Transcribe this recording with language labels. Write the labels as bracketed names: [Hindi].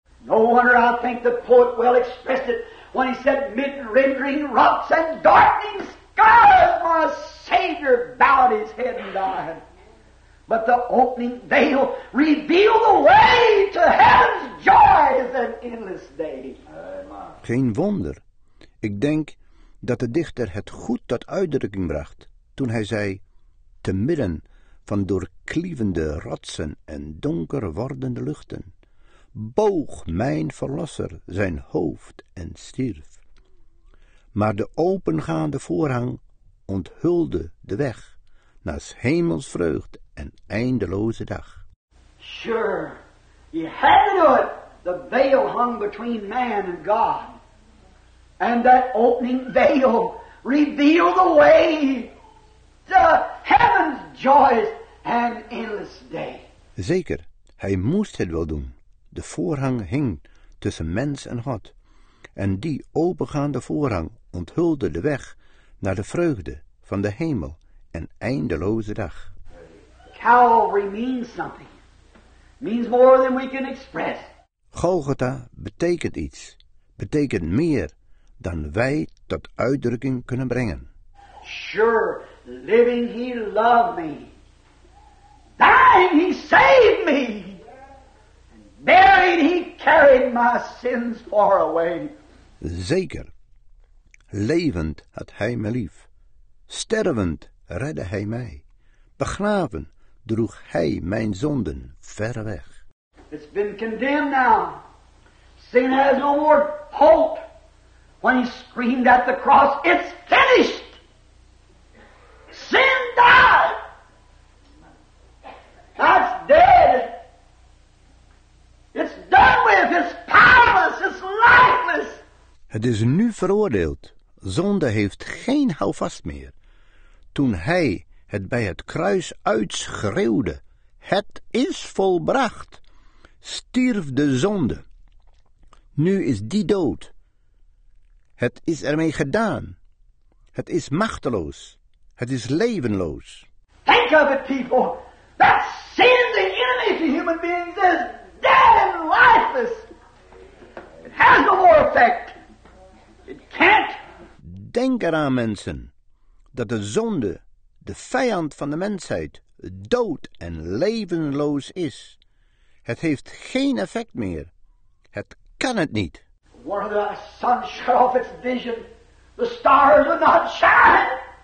[English] No wonder I think the poet well expressed it when he said, mid rendering rocks and darkening skies, my Savior bowed his head and died. But the opening veil revealed the way to heaven's joys and endless day. [Dutch] Geen wonder. Ik denk dat de dichter het goed tot uitdrukking bracht toen hij zei, te midden van doorklievende rotsen en donker wordende luchten, boog mijn verlosser zijn hoofd en stierf. Maar de opengaande voorhang onthulde de weg naar 's hemels vreugd en eindeloze dag. [English] Sure, he had to do it. The veil hung between man and God. And that opening veil revealed the way to heaven's joys and endless day. [Dutch] Zeker, hij moest het wel doen. De voorhang hing tussen mens en God. En die opengaande voorhang onthulde de weg naar de vreugde van de hemel en eindeloze dag. [English] Calvary means something. Means more than we can express. [Dutch] Golgotha betekent iets. Betekent meer dan wij tot uitdrukking kunnen brengen. [English] Sure, living he loved me. Dying he saved me. Buried he carried my sins far away. [Dutch] Zeker. Levend had hij me lief. Stervend redde hij mij. Begraven droeg hij mijn zonden ver weg. [English] It's been condemned now. Sin has no more hope. When he screamed at the cross, it's finished. Sin died. That's dead. It's done with. It's powerless. It's lifeless. [Dutch] Het is nu veroordeeld. Zonde heeft geen houvast meer. Toen hij het bij het kruis uitschreeuwde, het is volbracht, stierf de zonde. Nu is die dood. Het is ermee gedaan. Het is machteloos. Het is levenloos. [English] Think of it, people. That sin, the enemy to human beings, is dead and lifeless. It has no more effect. It can't. [Dutch] Denk eraan, mensen, dat de zonde, de vijand van de mensheid, dood en levenloos is. Het heeft geen effect meer. Het kan het niet. [English] Were the sun shut off its vision, the stars would not shine.